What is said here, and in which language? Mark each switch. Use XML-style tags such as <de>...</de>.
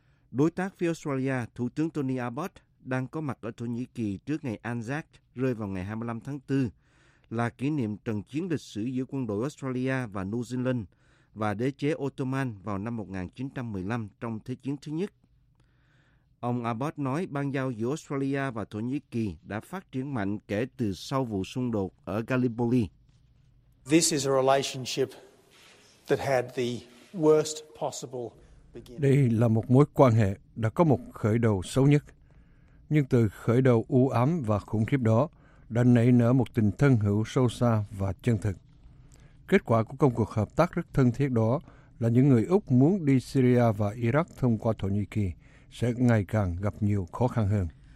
<vi>Đối tác phía Australia, Thủ tướng Tony Abbott đang có mặt ở Thổ Nhĩ Kỳ trước ngày Anzac rơi vào ngày 25 tháng 4, là kỷ niệm trận chiến lịch sử giữa quân đội Australia và New Zealand và đế chế Ottoman vào năm 1915 trong Thế chiến thứ nhất. Ông Abbott nói ban giao giữa Australia và Thổ Nhĩ Kỳ đã phát triển mạnh kể từ sau vụ xung đột ở Gallipoli.</vi> <en>This is a relationship that had the worst possible beginning.</en> <vi>Đây là một mối quan hệ đã có một khởi đầu xấu nhất. Nhưng từ khởi đầu u ám và khủng khiếp đó đã nảy nở một tình thân hữu sâu xa và chân thực. Kết quả của công cuộc hợp tác rất thân thiết đó là những người Úc muốn đi Syria và Iraq thông qua Thổ Nhĩ Kỳ sẽ ngày càng gặp nhiều khó khăn hơn.</vi>